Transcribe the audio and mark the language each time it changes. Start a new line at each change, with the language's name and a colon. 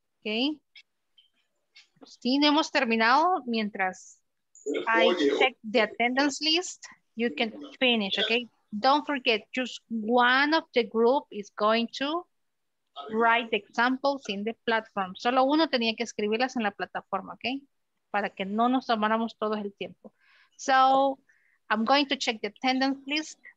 Spanish: Okay. Sí, hemos terminado. Mientras
English: I check the attendance list, you can finish. Okay. Don't forget, just one of the group is going to write the examples in the platform.
Spanish: Solo uno tenía que escribirlas en la plataforma. Okay. Para que no nos tomáramos todo el tiempo.
English: So I'm going to check the attendance list.